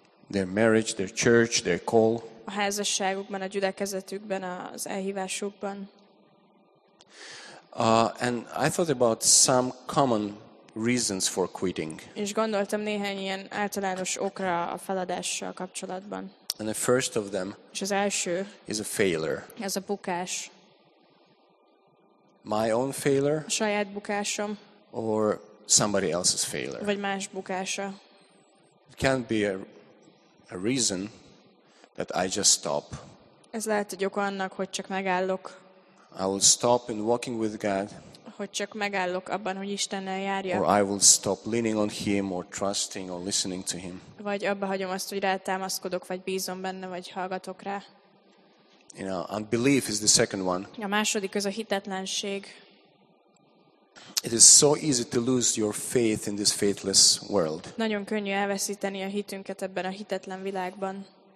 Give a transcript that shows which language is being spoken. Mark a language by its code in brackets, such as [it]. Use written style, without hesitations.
[en] Their marriage, their church, their call. [hu] A házasságukban, a gyülekezetükben, az elhívásukban. [en] And I thought about some common reasons for quitting. [hu] És gondoltam néhány ilyen általános okra a feladással kapcsolatban. [en] And the first of them is a failure. [hu] Ez a bukás. [en] My own failure. [hu] A saját bukásom. [en] Or somebody else's failure. [hu] Vagy más bukása. [en] It can't be a reason that I just stop. [hu] Ez lehet egy oka annak, hogy csak megállok. [en] I will stop in walking with God. [hu] Hogy csak megállok abban, hogy Istennel járjak. [en] Or I will stop leaning on him or trusting or listening to him. [hu] Vagy abba hagyom azt, hogy rátámaszkodok, vagy bízom benne, vagy hallgatok rá. [en] You know, unbelief is the second one. [hu] A második az a hitetlenség. [en] It is so easy to lose your faith in this faithless world. [hu] Nagyon könnyű elveszíteni a hitünket ebben a hitetlen világban.